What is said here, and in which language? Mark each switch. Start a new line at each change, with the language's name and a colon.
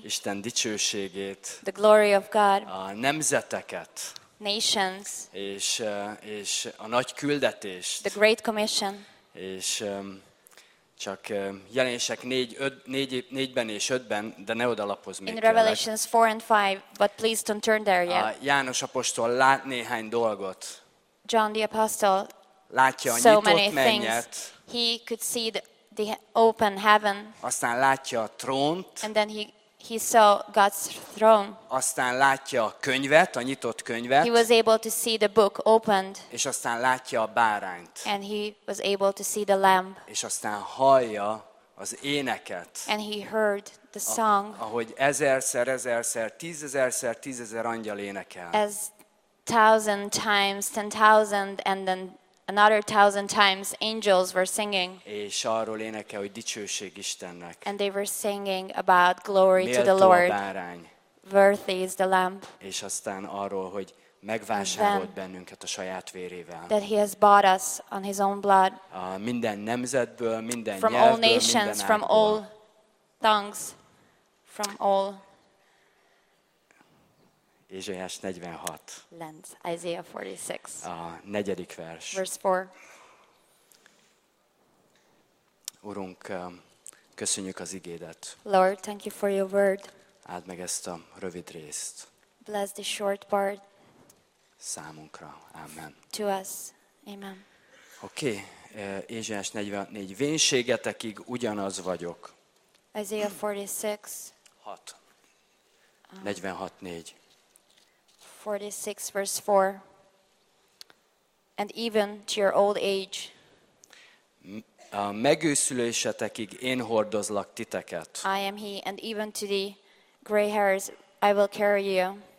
Hungarian: Isten dicsőségét.
English: The glory of God.
Hungarian: A nemzeteket.
English: Nations.
Hungarian: És a nagy küldetést.
English: The great commission.
Hungarian: És csak Jelenések 4-ben és 5-ben, de ne odalapozz még.
English: In Revelations 4 and 5, but please don't turn there yet.
Hungarian: János apostol lát néhány dolgot.
English: John the apostle.
Hungarian: Látja a
English: so
Hungarian: nyitott mennyet.
English: He could see the open heaven.
Hungarian: Aztán látja a trónt.
English: And then he saw God's throne.
Hungarian: Aztán látja a könyvet, a nyitott könyvet.
English: He was able to see the book opened.
Hungarian: És aztán látja a bárányt.
English: And he was able to see the lamb.
Hungarian: És aztán hallja az éneket.
English: And he heard the song.
Hungarian: Ahogy ezerszer, ezerszer, tízezerszer, tízezer angyal énekel.
English: As thousand times, 10,000, and then another 1,000 times angels were singing.
Hungarian: És arról énekel, hogy dicsőség Istennek.
English: And they were singing about glory
Hungarian: méltó
English: to the Lord.
Hungarian: A bárány.
English: Worthy is the Lamb.
Hungarian: És aztán arról, hogy megvásárolt bennünket a saját vérével.
English: That he has bought us on his own blood.
Hungarian: A minden nemzetből, minden
English: from
Hungarian: nyelvből,
English: all nations,
Hungarian: minden
English: from
Hungarian: árból.
English: All tongues, from all.
Hungarian: Ézsaiás 46.
English: Lent, Isaiah 46.
Hungarian: A negyedik vers.
English: Verse 4.
Hungarian: Urunk, köszönjük az igédet.
English: Lord, thank you for your word.
Hungarian: Áld meg ezt a rövid részt.
English: Bless the short part.
Hungarian: Számunkra. Amen.
English: To us. Amen.
Hungarian: Oké, Ézsaiás 44. Vénségetekig ugyanaz vagyok.
English: Isaiah 46. 6. 46:4. 46 verse 4. And even to your old age.
Hungarian: A megőszülésetekig én hordozlak titeket.
English: I am he, and even to the gray hairs I will carry you.